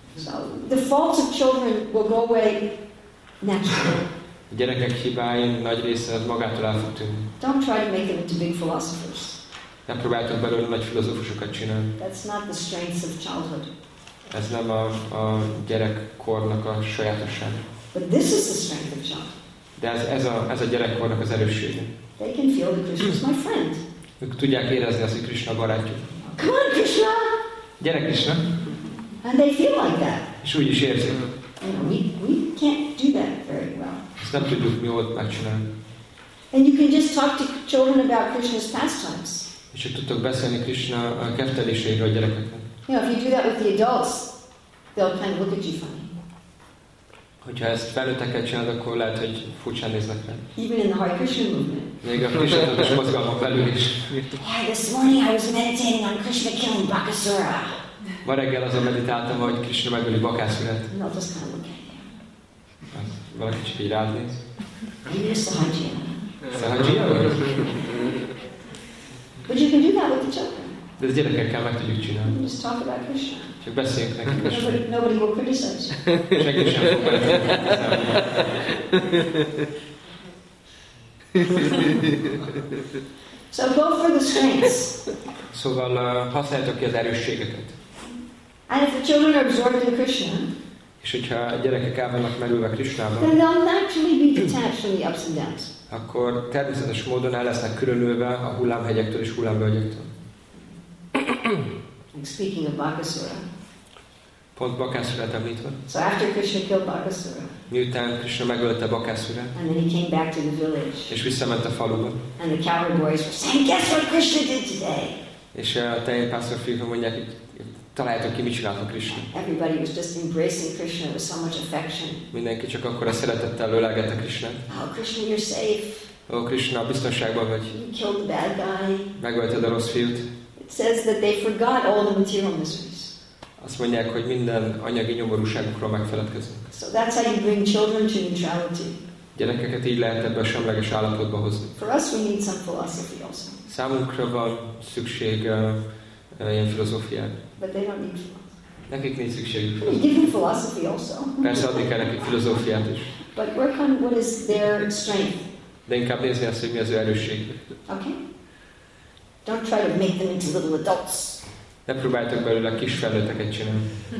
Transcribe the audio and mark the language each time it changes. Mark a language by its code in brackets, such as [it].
[en] So, the faults of children will go away naturally. [hu] A gyerekek hibáin nagy része magától el fog tűnni. [en] Don't try to make them into big philosophers. [hu] Nem próbáltok belőle nagy filozófusokat csinálni. [en] That's not the strengths of childhood. [hu] Ez nem a gyerekkornak a sajátosság. [en] But this is the strength of childhood. [hu] De ez a gyerekkornak az erőssége. [en] They can feel that Krishna's my friend. [hu] Ők tudják érezni azt, hogy Krishna barátjuk. [en] Come on, Krishna! [hu] Gyere, Krishna! [en] And they feel like that. [hu] És úgy is érzik. [en] We can't do that very well. [hu] Nem tudjuk mi volt megcsinálni. [en] And you can just talk to children about Krishna's pastimes. [hu] És csak tudtok beszélni Krishna a kefteléseiről a gyerekeknek. [en] You know, if you do that with the adults, they'll kind of look at you funny. [hu] Hogyha ezt felnőttekkel csinálod, akkor lehet, hogy furcsán néznek rá. [en] Even in the Hare Krishna movement. [hu] Még a Krishna-tudatos mozgalmon belül is. [en] Why, this morning I was meditating on Krishna killing Bakasura. [hu] Ma reggel azon meditáltam, hogy Krishna megöli Bakasurát. [en] No, just kind of look at you. [hu] Valaki csak így rád néz. [en] Maybe a Sahajiya. [hu] Sahajiya vagy? [en] But you can do that with the children. [hu] De ezt gyerekekkel meg tudjuk csinálni. [en] And just talk about Krishna. [hu] Csak beszéljünk neki Krishna. [en] Nobody will criticize. [hu] Senki sem fog elmondani. [en] So go for the strengths. [hu] Szóval használjátok ki az erősségeket. [en] And if the children are absorbed in Krishna, [hu] és hogyha a gyerekek el vannak merülve Krishnában, [en] then they'll naturally be detached from the ups and downs. [hu] Akkor természetes módon el lesznek különülve a hullámhegyektől és hullámvölgyektől. [en] Speaking of Bakasura. [hu] Pont Bakasurát említve. [en] So after Krishna killed Bakasura. [hu] Miután Krishna megölte Bakasurát. [en] And then he came back to the village. [hu] És visszament a faluba. [en] And the cowherd boys were saying, guess what Krishna did today? [hu] És a tejpásztor fiúk mondják, hogy találjátok ki, mit csinált a Krishna. [en] Everybody was just embracing Krishna with so much affection. [hu] Mindenki csak akkora szeretettel ölelgette Krishnát. [en] Oh, Krishna, you're safe. [hu] Oh, Krishna, biztonságban vagy. [en] You killed the bad guy. [hu] Megölted a rossz fiút. [en] It says that they forgot all the material miseries. [hu] Azt mondják, hogy minden anyagi nyomorúságukról megfeledkeznek. [en] So that's how you bring children to neutrality. [hu] gyerekeket így lehet ebbe a semleges állapotba hozni. [en] For us we need some philosophy also. [hu] Számunkra van szükség ilyen filozófián. [en] But they don't need philosophy. [hu] Nekik nincs szükségük. [en] We give them philosophy also. [hu] Persze adni kell nekik filozófiát is. [en] But work on what is their strength. [hu] De inkább nézni azt, hogy mi az ő erősség. [en] Okay. Don't try to make them into little adults. [hu] Ne próbáljátok belőle kis felnőtteket csinálni.